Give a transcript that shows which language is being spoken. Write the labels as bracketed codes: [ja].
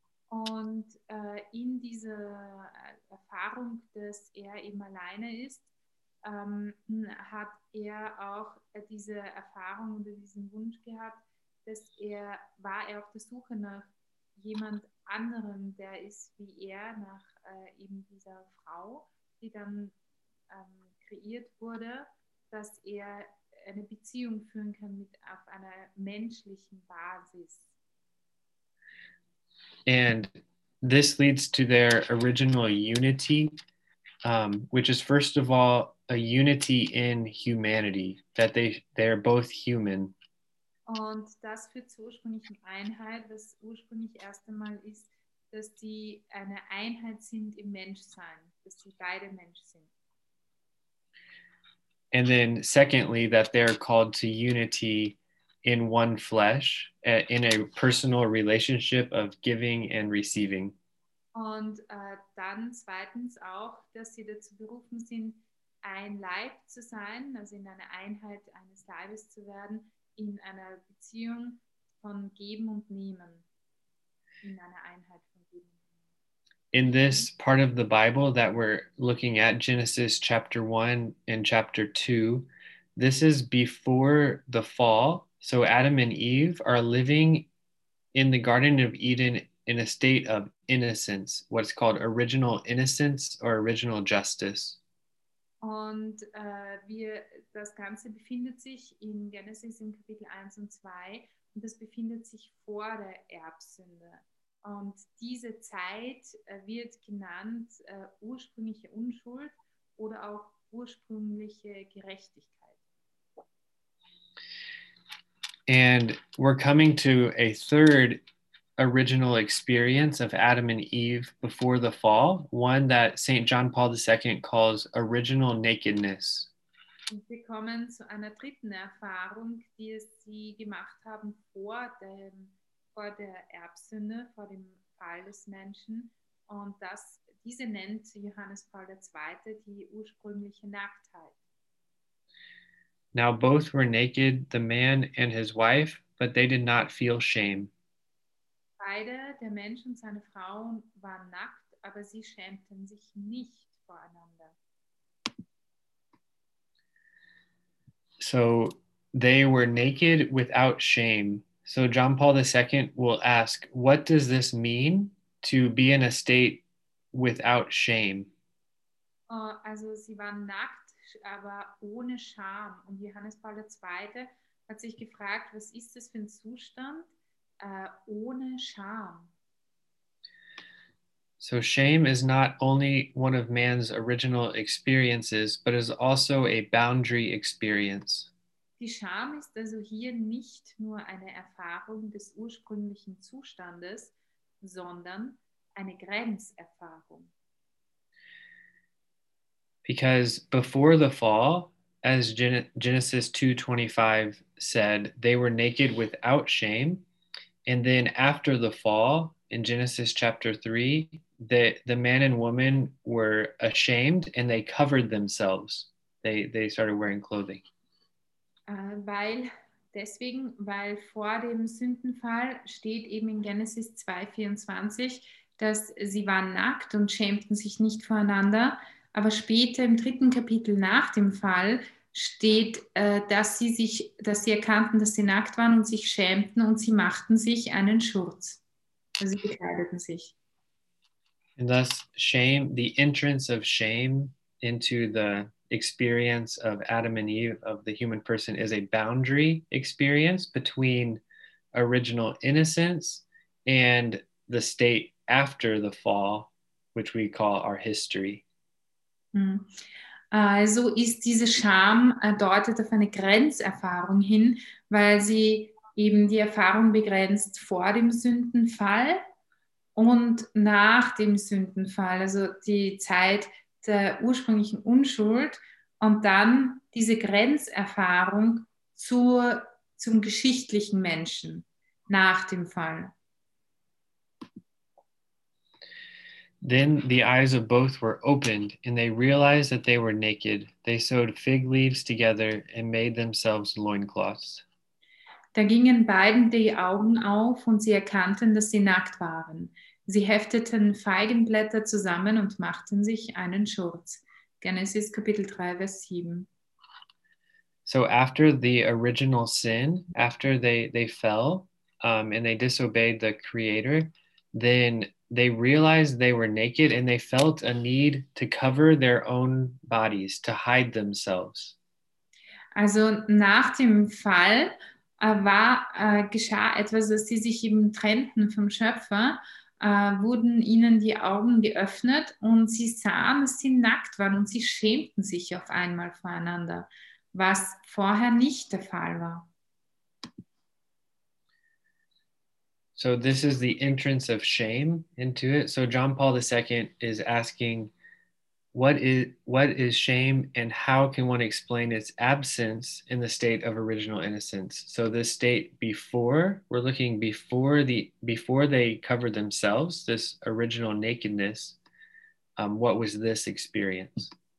[de] Und in dieser Erfahrung, dass er eben alleine ist, hat er auch diese Erfahrung oder diesen Wunsch gehabt, dass er, war er auf der Suche nach jemand anderem, der ist wie er, nach eben dieser Frau, die dann kreiert wurde, dass er eine Beziehung führen kann mit auf einer menschlichen Basis. [en] And this leads to their original unity, which is first of all a unity in humanity, that they are both human. [de] Und das führt zur ursprünglichen Einheit, das ursprünglich erst einmal ist, dass die eine Einheit sind im Menschsein, dass sie beide Mensch sind. [en] And then secondly, that they are called to unity in one flesh, in a personal relationship of giving and receiving. [de] Und dann zweitens auch, dass sie dazu berufen sind, ein Leib zu sein, also in einer Einheit eines Leibes zu werden, in einer Beziehung von Geben und Nehmen, in einer Einheit von Geben und Nehmen. [en] In this part of the Bible that we're looking at, Genesis chapter 1 and chapter 2, this is before the fall. So Adam and Eve are living in the Garden of Eden in a state of innocence, what's called original innocence or original justice. [de] Und das Ganze befindet sich in Genesis in Kapitel 1 und 2 und das befindet sich vor der Erbsünde. Und diese Zeit wird genannt ursprüngliche Unschuld oder auch ursprüngliche Gerechtigkeit. [en] And we're coming to a third original experience of Adam and Eve before the fall, one that St. John Paul II calls original nakedness. [de] Und wir kommen zu einer dritten Erfahrung, die sie gemacht haben vor der Erbsünde, vor dem Fall des Menschen. Und diese nennt Johannes Paul II. Die ursprüngliche Nacktheit. [en] Now both were naked, the man and his wife, but they did not feel shame. [de] Beide, der Mensch und seine Frau, waren nackt, aber sie schämten sich nicht voreinander. [en] So they were naked without shame. So John Paul II will ask, what does this mean to be in a state without shame? [de] Also sie waren nackt, aber ohne Scham. Und Johannes Paul II. Hat sich gefragt, was ist das für ein Zustand ohne Scham? [en] So shame is not only one of man's original experiences, but is also a boundary experience. [de] Die Scham ist also hier nicht nur eine Erfahrung des ursprünglichen Zustandes, sondern eine Grenzerfahrung. [en] Because before the fall, as Genesis 2:25 said, they were naked without shame. And then after the fall, in Genesis chapter 3, the man and woman were ashamed and they covered themselves. They started wearing clothing. [de] Weil vor dem Sündenfall steht eben in Genesis 2:24, dass sie waren nackt und schämten sich nicht voreinander. Aber später im dritten Kapitel nach dem Fall steht, dass sie erkannten, dass sie nackt waren und sich schämten und sie machten sich einen Schurz. Also sie bekleideten sich. [en] And thus shame, the entrance of shame into the experience of Adam and Eve of the human person is a boundary experience between original innocence and the state after the fall, which we call our history. [de] Also ist diese Scham deutet auf eine Grenzerfahrung hin, weil sie eben die Erfahrung begrenzt vor dem Sündenfall und nach dem Sündenfall, also die Zeit der ursprünglichen Unschuld und dann diese Grenzerfahrung zum geschichtlichen Menschen nach dem Fall. [en] Then the eyes of both were opened and they realized that they were naked. They sewed fig leaves together and made themselves loincloths. [de] Da gingen beiden die Augen auf und sie erkannten, dass sie nackt waren. Sie hefteten Feigenblätter zusammen und machten sich einen Schurz. Genesis Kapitel 3, Vers 7. [en] So after the original sin, after they fell and they disobeyed the Creator, then they realized they were naked and they felt a need to cover their own bodies, to hide themselves. [de] Also nach dem Fall geschah etwas, dass sie sich eben trennten vom Schöpfer, wurden ihnen die Augen geöffnet und sie sahen, dass sie nackt waren und sie schämten sich auf einmal voreinander, was vorher nicht der Fall war. [en] So this is the entrance of shame into it. So John Paul II is asking, what is shame and how can one explain its absence in the state of original innocence? So this state before, we're looking before they covered themselves, this original nakedness, what was this experience?